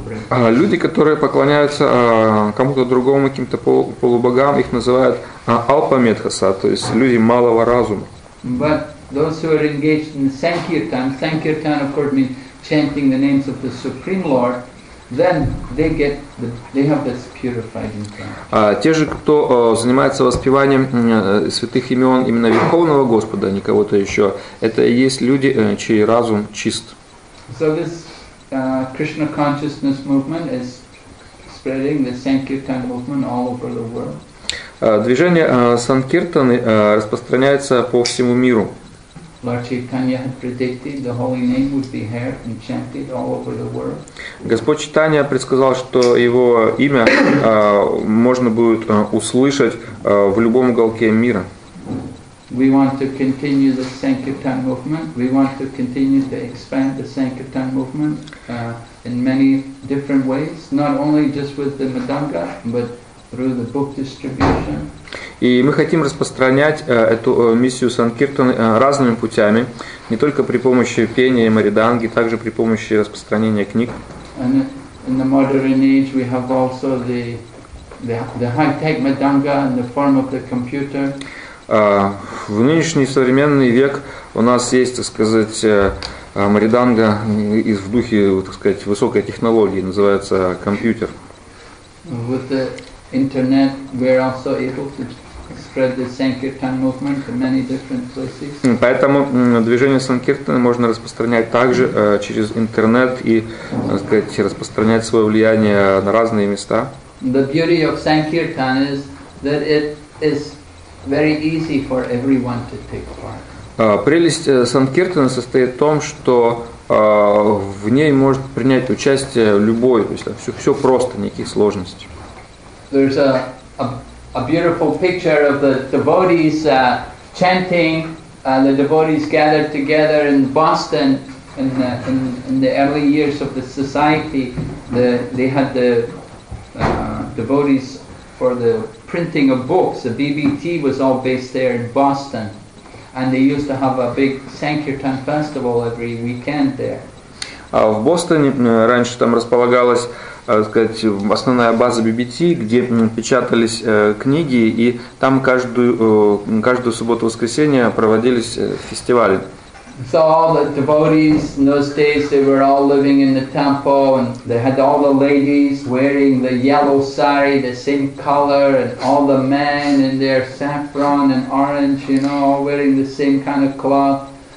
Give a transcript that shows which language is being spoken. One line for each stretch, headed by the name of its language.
Russian: Люди, которые поклоняются кому-то другому, каким-то полубогам, их называют алпамедхаса, то есть люди малого разума.
English: But those who are engaged in sankirtan, sankirtan of course means chanting the names of the Supreme Lord, then they get the, they have this purified intention.
Russian: Те же, кто занимается воспеванием святых имен именно Верховного Господа, не кого-то еще, это и есть люди, чей разум чист.
English: So this Krishna consciousness movement is spreading, the sankirtan movement all over the world.
Russian: Движение санкиртаны распространяется по всему миру.
English: Lord Chaitanya had predicted the holy name would be heard and chanted all over the world.
Russian: Господь Чайтанья предсказал, что его имя можно будет услышать в любом уголке мира.
English: We want to continue the sankirtan movement. We want to continue to expand the sankirtan movement in many different ways, not only just with the madanga, but through the book distribution.
Russian: И мы хотим распространять эту миссию санкиртаны разными путями, не только при помощи пения и мариданги, также при помощи распространения книг.
English: In the modern age, we have also the high-tech madanga in the form of the computer.
Russian: В нынешний современный век у нас есть, так сказать, мариданга из в духе, так сказать, высокой технологии, называется компьютер.
English: With the internet, we're also able to spread the sankirtan movement to many different places.
Russian: Поэтому движение санкиртаны можно распространять также через интернет и, так сказать, распространять свое влияние на разные места.
English: The beauty of sankirtan is that it is very easy for everyone to take part.
Russian: Прелесть санкиртаны состоит в том, что в ней может принять участие любой, то есть все просто, никаких сложностей.
English: There's a beautiful picture of the devotees chanting, the devotees gathered together in Boston in the early years of the society. They had the devotees for the printing of books. The BBT was all based there in Boston, and they used to have a big Sankirtan festival every weekend there.
Russian: В Бостоне раньше там располагалась, сказать, основная база BBT, где печатались книги, и там каждую субботу-воскресенье проводились фестивали.
English: So all the devotees in those days, they were all living in the temple, and they had all the ladies wearing the yellow sari, the same color, and all the men in their saffron and orange, you know, all wearing the same kind of cloth.